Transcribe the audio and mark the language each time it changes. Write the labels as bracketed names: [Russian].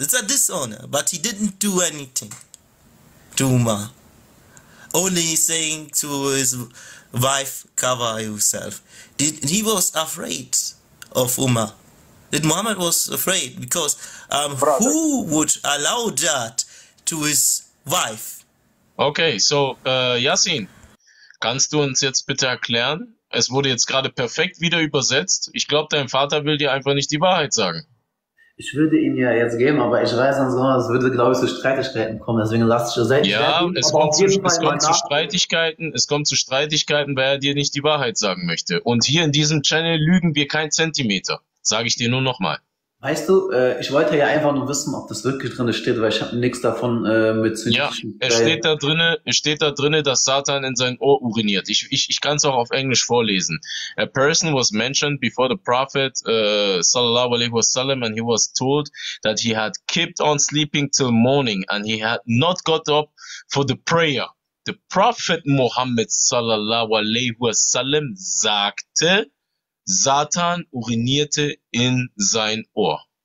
[English] It's a dishonor, but he didn't do anything to Umar. Only saying to his wife, cover yourself. He was afraid of Umar. That Muhammad was afraid, because who would allow that to his wife? [German] Okay, so Yasin, kannst du uns jetzt bitte erklären? Es wurde jetzt gerade perfekt wieder übersetzt. Ich glaube, dein Vater will dir einfach nicht die Wahrheit sagen. Ich würde ihn ja jetzt geben, aber ich weiß ansonsten, es würde, glaube ich, zu Streitigkeiten kommen. Deswegen lass ich es ja selbst. Ja, es kommt zu Streitigkeiten, weil er dir nicht die Wahrheit sagen möchte. Und hier in diesem Channel lügen wir keinen Zentimeter. Sage ich dir nur nochmal. Weißt du, ich wollte ja einfach nur wissen, ob das wirklich drin steht, weil ich habe nichts davon mit zynischen. Ja, es steht da drin, dass Satan in sein Ohr uriniert. Ich kann es auch auf Englisch vorlesen. [English] A person was mentioned before the Prophet, sallallahu alaihi wasallam, and he was told that he had kept on sleeping till morning and he had not got up for the prayer. The Prophet [German] Muhammad, sallallahu alaihi wasallam, sagte, Satan urinierte in sein Ohr.